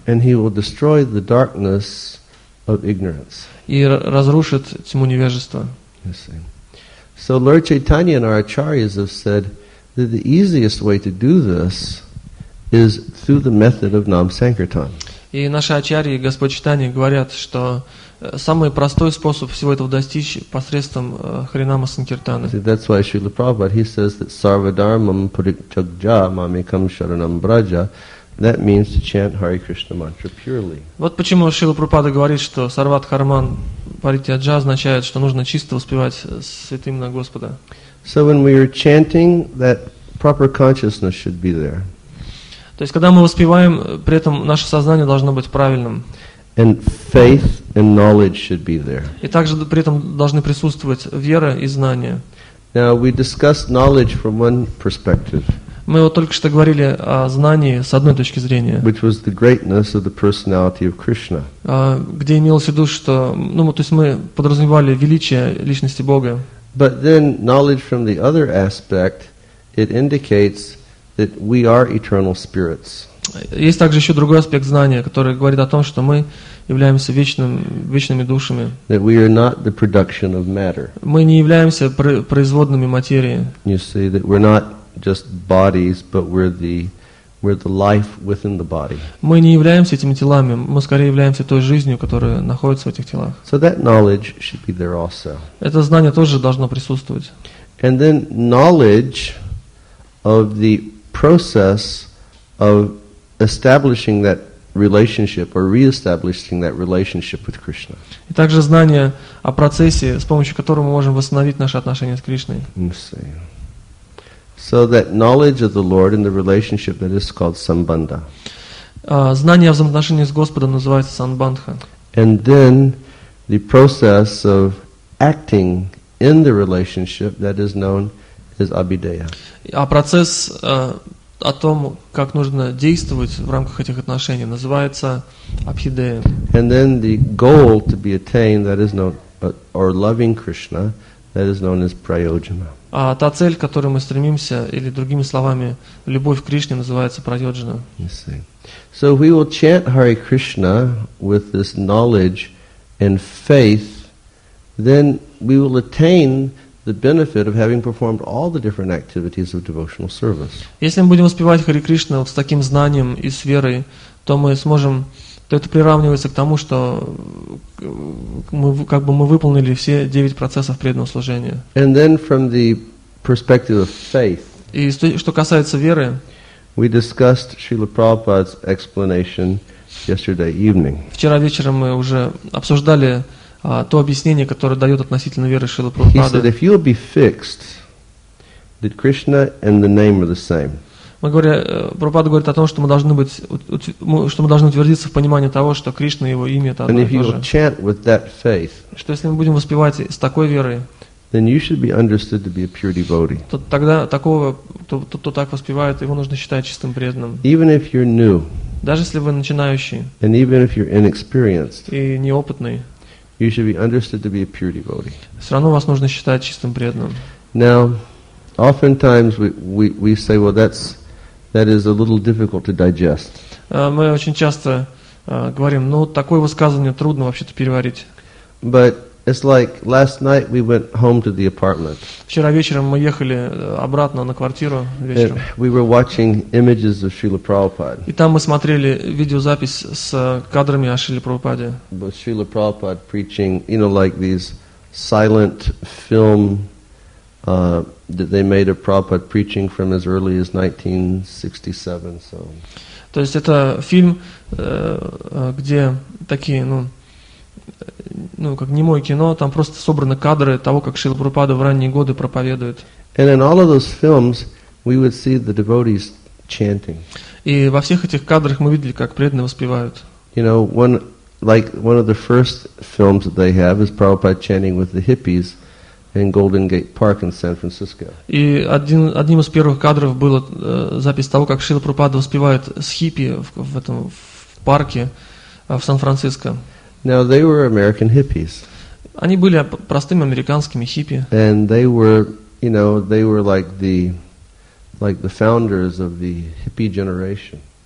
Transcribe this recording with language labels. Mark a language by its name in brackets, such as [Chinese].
[English] And he will destroy the darkness of ignorance. [Russian] И разрушит тьму невежества. [English] So Lord Chaitanya and our acharyas have said that the easiest way to do this is through the method of Nam Sankirtan. [Russian] И наши ачарьи, Господь Чайтанья, говорят, что самый простой способ всего этого достичь посредством Харинама Санкиртаны. [English] That's why Srila Prabhupada, he says that [Sanskrit] sarvadharmam purichagja mamikam sharanam braja. [English] That means to chant Hare Krishna mantra purely. [Russian] Вот почему Шрила Прабхупада говорит, что [Sanskrit] сарват харман паритяджа [Russian] означает, что нужно чисто воспевать святым имя Господа. [English] So when we are chanting, that proper consciousness should be there. [Russian] То есть когда мы воспеваем, при этом наше сознание должно быть правильным. [English] And faith and knowledge should be there. [Russian] И также при этом должны присутствовать вера и знание. [English] Now we discussed knowledge from one perspective. [Russian] Мы вот только что говорили о знании с одной точки зрения. [English] Which was the greatness of the personality of Krishna. [Russian] Где имелось в виду, что, ну, то есть мы подразумевали величие личности Бога. [English] But then knowledge from the other aspect, it indicates that we are eternal spirits. [Russian] Есть также еще другой аспект знания, который говорит о том, что мы являемся вечными душами. [English] That we are not the production of matter. [Russian] Мы не являемся производными материи. [English] You see that we're not just bodies, but we're the life within the body. [Russian] Мы не являемся этими телами, мы скорее являемся той жизнью, которая находится в этих телах. [English] So that knowledge should be there also. [Russian] Это знание тоже должно присутствовать. [English] And then knowledge of the process of establishing that relationship or re-establishing that relationship with Krishna. [Russian] И также знание о процессе, с помощью которого мы можем восстановить наши отношения с Кришной. [English] So that knowledge of the Lord and the relationship that is called sambandha. [Russian] Знание о взаимоотношении с Господом называется санбандха. [English] And then the process of acting in the relationship that is known as abhideya. [Russian] А процесс о том, как нужно действовать в рамках этих отношений, называется абхидея. [English] And then the goal to be attained that is known or loving Krishna that is known as prayojana. [Russian] А та цель, к которой мы стремимся, или другими словами, любовь к Кришне называется прайоджана. [English] So we will chant Hare Krishna with this knowledge and faith, then we will attain the benefit of having performed all the different activities of devotional service. [Russian] Если мы будем воспевать Харе Кришна вот с таким знанием и с верой, то мы сможем, то это приравнивается к тому, что мы как бы мы выполнили все 9 процессов преданного служения. [English] And then from the perspective of faith. [Russian] И что касается веры, [English] we discussed Srila Prabhupada's explanation yesterday evening. [Russian] Вчера вечером мы уже обсуждали то объяснение, которое дает относительно веры Шрилы Прабхупады. [English] He said, if you'll be fixed, that Krishna and the name are the same. [Russian] Прабхупада говорит о том, что мы должны быть, что мы должны утвердиться в понимании того, что Кришна и его имя это одно и то же. [English] Chant with that faith, [Russian] что если мы будем воспевать с такой верой, [English] then you should be understood to be a pure devotee. [Russian] То тогда такого, кто так воспевает, его нужно считать чистым преданным. [English] Even if you're new, [Russian] даже если вы начинающий, [English] and even if you're inexperienced, [Russian] и неопытный, [English] you should be understood to be a pure devotee. [Russian] Все равно вас нужно считать чистым преданным. [English] Now, oftentimes we say, well, that is a little difficult to digest. [Russian] Мы очень часто говорим, ну такое высказывание трудно вообще-то переварить. [English] But it's like last night we went home to the apartment. [Russian] Вчера вечером мы ехали обратно на квартиру вечером. [English] And we were watching images of Srila Prabhupada. [Russian] И там мы смотрели видеозапись с кадрами о Шриле Прабхупаде. [English] But Srila Prabhupada preaching, you know, like these silent film that they made of Prabhupada preaching from as early as 1967. So. [Russian] То есть это фильм, где такие, ну, как немое кино, там просто собраны кадры того, как Шрила Прабхупада в ранние годы проповедует. [English] And in all of those films, we would see the devotees chanting. [Russian] И во всех этих кадрах мы видели, как преданные воспевают. [English] You know, one of the first films that they have is Prabhupada chanting with the hippies in Golden Gate Park in San Francisco. [Russian] И одним из первых кадров было запись того, как Шрила Прабхупада воспевает с хиппи в парке в Сан-Франциско. [English] Now they were American hippies. [Russian] Они были простыми американскими хиппи. [English] And they were, you know, they were like the founders of the hippie generation.